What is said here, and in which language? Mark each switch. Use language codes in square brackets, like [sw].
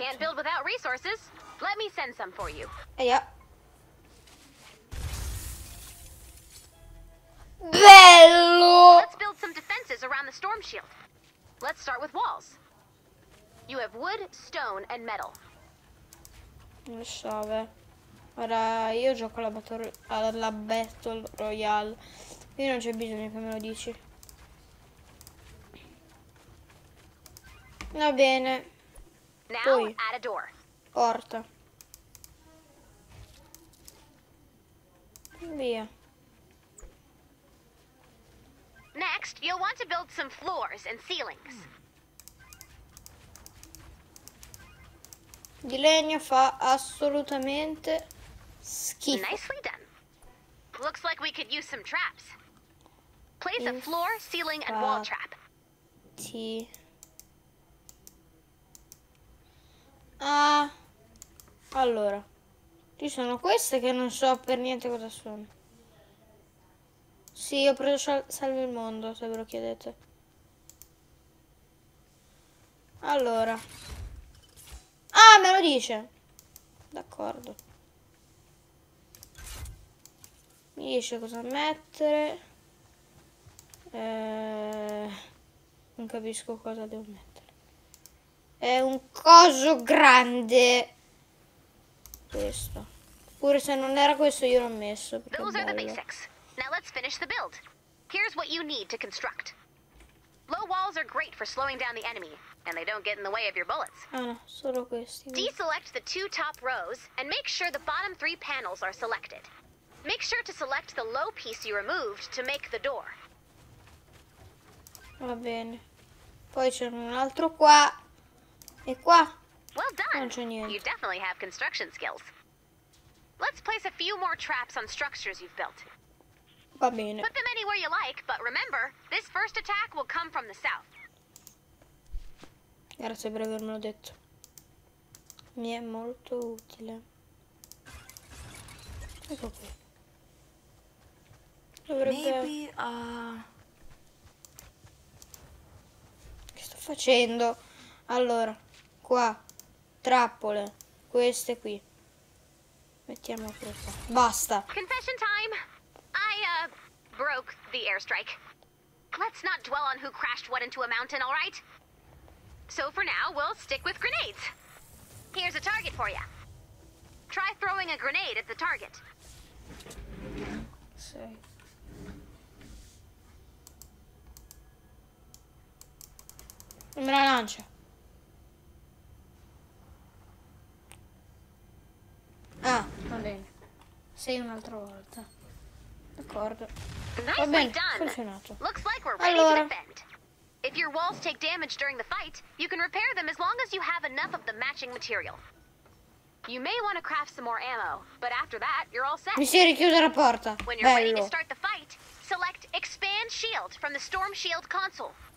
[en] Can't build without resources. Let me send some for you. Eia. [it] Bello. [en] Let's build some defenses around the storm shield. Let's start with walls. You have wood, stone and metal. [it] Non so, beh. Ora io gioco alla Battle Royale. Io non c'è bisogno che me lo dici. Va bene. [en] Now [it] poi [en] add a door. [it] Porta. Via. [en] Next, you'll want to build some floors and ceilings. [it] Di legno fa assolutamente schifo. [en] Nicely done. Looks like we could use some traps. Place a floor, ceiling, and wall trap. [it] Sì. Allora, ci sono queste che non so per niente cosa sono. Sì, ho preso salvo il mondo, se ve lo chiedete. Allora. Ah, me lo dice. D'accordo. Mi dice cosa mettere. Non capisco cosa devo mettere. È un coso grande. Questo. Pure se non era questo, io l'ho messo. [en] Those are the basics. Now let's finish the build. Here's what you need to construct. Low walls are great for slowing down the enemy, and they don't get in the way of your bullets. [it] Solo questi. [en] Deselect the two top rows, and make sure the bottom three panels are selected. Make sure to select the low piece you removed to make the door. [it] Va bene. Poi c'è un altro qua. E qua. [en] Well done. [it] Non c'è niente. [en] You definitely have construction skills. Let's place a few more traps on structures you've built. [it] Va bene. [en] Put them anywhere you like, but remember, this first attack will come from the south. [it] Grazie per avermelo detto. Mi è molto utile. Ecco qui. Dovrebbe... [en] Maybe, [it] Che sto facendo? Allora, qua, trappole, queste qui. Mettiamo questa. Basta. [en] Confession time! Broke the airstrike. Let's not dwell on who crashed what into a mountain, all right? So for now, we'll stick with grenades. Here's a target for you. Try throwing a grenade at the target. [it] Sei. Me la lancio. Ah, va bene. Sei un'altra volta. D'accordo. d'accordo. Va bene, funzionato. [en] Looks like we're ready to defend. If your walls take damage during the fight, you can repair them as long as you have enough of the matching material. You may want to craft some more ammo, but after that, you're all set. [it] Mi si richiude la porta. [en] When you're ready to start the fight, select expand shield from the storm shield console.